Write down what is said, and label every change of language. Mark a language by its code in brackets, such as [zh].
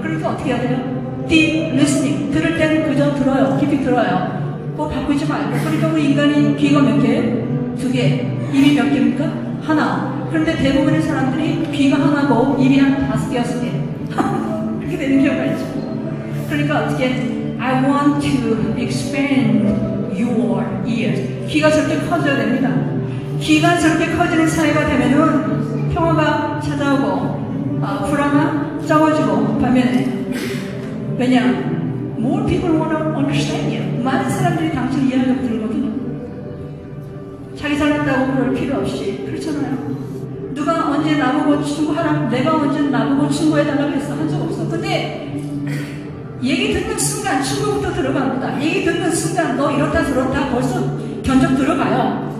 [ko] 그러니까 어떻게 해야 돼요? [en] Deep listening. [ko] 들을 때는 그저 들어요. 깊이 들어요. 뭐 바꾸지 말고. 그러니까 우리 인간이 귀가 몇 개? 두 개. 입이 몇 개입니까? 하나. 그런데 대부분의 사람들이 귀가 하나고 입이 한 다섯 개였을 때 이렇게 되는 경우가 있죠. 그러니까 어떻게 [en] I want to expand your ears. [ko] 귀가 절대 커져야 됩니다. 귀가 절대 커지는 사회가 되면은 평화가 찾아오고 불안이 적어지고 반면에 왜냐? [en] More people want to understand you. [ko] 많은 사람들이 당신 이야기를 들거든요. 자기 잘났다고 그럴 필요 없이 그렇잖아요. 누가 언제 나보고 친구하라 내가 언제 나보고 친구해달라고 했어 한 적 없어. 근데 얘기 듣는 순간 친구부터 들어갑니다. 얘기 듣는 순간 너 이렇다 저렇다 벌써 견적 들어가요.